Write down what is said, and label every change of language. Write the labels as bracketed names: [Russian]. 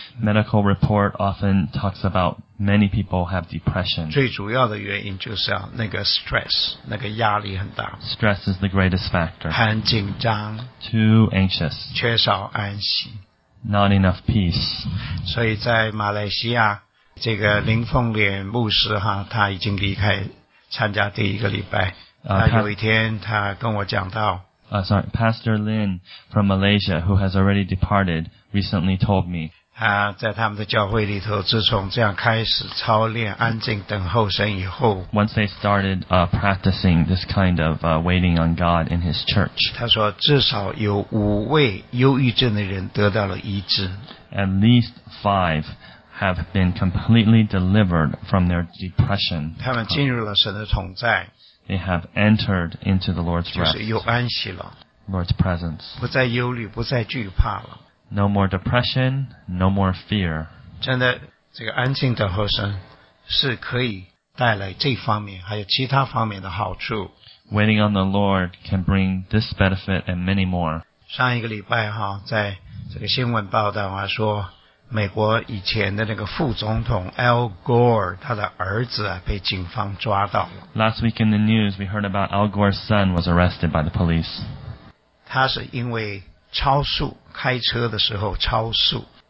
[English] Medical report often talks about many people have depression. [Chinese] 最主要的原因就是要那个 stress, 那个压力很大。 [English] Stress is the greatest factor. [Chinese] 很紧张。 [English] Too anxious. [Chinese] 缺少安息。 [English] Not enough peace. [Chinese] 所以在马来西亚这个林凤莲牧师哈，他已经离开参加第一个礼拜。他有一天他跟我讲到 [English] Pastor Lin from Malaysia, who has already departed, recently told me. [Chinese] 他在他们的教会里头，自从这样开始操练安静等候神以后 [English] ，Once they started practicing this kind of waiting on God in his church, [Chinese] 他说至少有五位忧郁症的人得到了医治。 [English] At least five have been completely delivered from their depression. [Chinese] 他们进入了神的同在。 [English] They have entered into the Lord's rest. [Chinese] 就是有安息了。 [English] Lord's presence. [Chinese] 不再忧虑，不再惧怕了。 [English] No more depression, no more fear. [Chinese] 真的，这个安静等候神是可以带来这方面，还有其他方面的好处。 [English] Waiting on the Lord can bring this benefit and many more. [Chinese] 上一个礼拜哈，在这个新闻报道啊，说美国以前的那个副总统 Al Gore 他的儿子啊被警方抓到了。 [English] Last week in the news, we heard about Al Gore's son was arrested by the police. [Chinese] 他是因为超速，开车的时候超速。